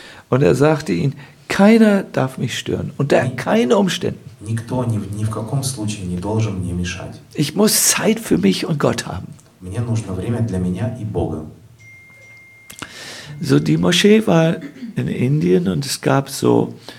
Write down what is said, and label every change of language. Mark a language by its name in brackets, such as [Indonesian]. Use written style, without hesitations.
[German] Und er sagte ihnen, keiner darf mich stören, unter keinen Umständen. [Russian] Никто ни в каком случае не должен мне мешать. [German] Ich muss Zeit für mich und Gott haben. [Russian] Мне нужно время для меня и Бога. [German] So, die Moschee war in Indien und es gab so